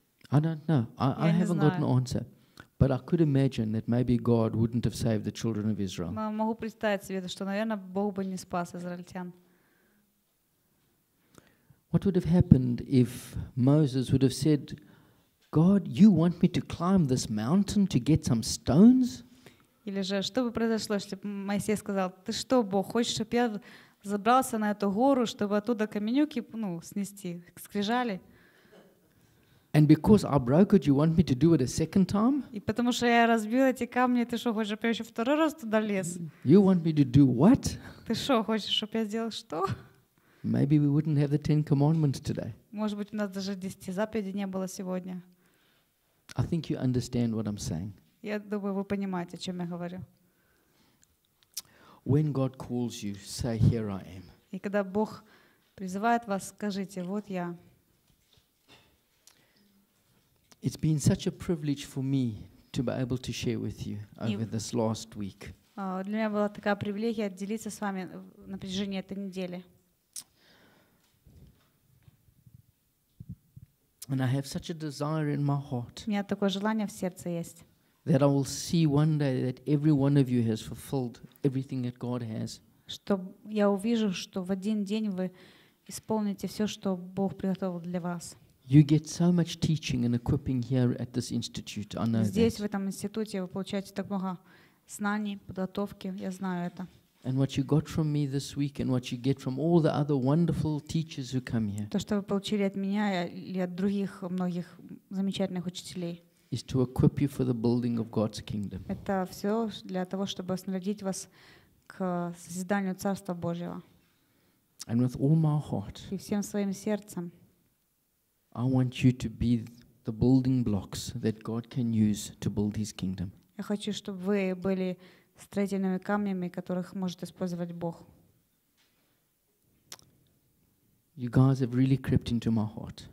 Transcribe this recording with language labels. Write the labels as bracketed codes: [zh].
[en] I don't know. I haven't got an answer. But I could imagine that maybe God wouldn't have saved the children of Israel. [ru] Но могу представить себе, что, наверное, Бог бы не спас израильтян. [en] What would have happened if Moses would have said, "God, you want me to climb this mountain to get some stones?" [ru] Или же, что бы произошло, если бы Моисей сказал, "Ты что, Бог, хочешь, чтобы я забрался на эту гору, чтобы оттуда каменюки, ну, снести, скрижали?" [en] And because I broke it, you want me to do it a second time? [ru] И потому что я разбил эти камни, ты что хочешь, чтобы я еще второй раз туда лез? [en] You want me to do what? [ru] Ты что хочешь, чтобы я сделал что? [en] Maybe we wouldn't have the Ten Commandments today. [ru] Может быть, у нас даже 10 заповедей не было сегодня. [en] I think you understand what I'm saying. [ru] Я думаю, вы понимаете, о чем я говорю. [en] When God calls you, say, "Here I am." [ru] И когда Бог призывает вас, скажите, вот я. [en] It's been such a privilege for me to be able to share with you over this last week. [ru] Для меня была такая привилегия отделиться с вами на протяжении этой недели. [en] And I have such a desire in my heart. [ru] У меня такое желание в сердце есть. [en] That I will see one day that every one of you has fulfilled everything that God has. [ru] Что я увижу, что в один день вы исполните все, что Бог приготовил для вас. [en] You get so much teaching and equipping here at this institute. I know [ru] здесь, в этом институте, вы получаете так много знаний, подготовки, я знаю это. [en] And what you got from me this week, and what you get from all the other wonderful teachers who come here. [ru] То, что вы получили от меня или от других многих замечательных учителей. [en] Is to equip you for the building of God's kingdom. [ru] Это все для того, чтобы снарядить вас к созиданию Царства Божьего. [en] And with all my heart. [ru] И всем своим сердцем. [en] I want you to be the building blocks that God can use to build His kingdom. [ru] Я хочу, чтобы вы были строительными камнями, которых может использовать Бог. [en] You guys have really crept into my heart.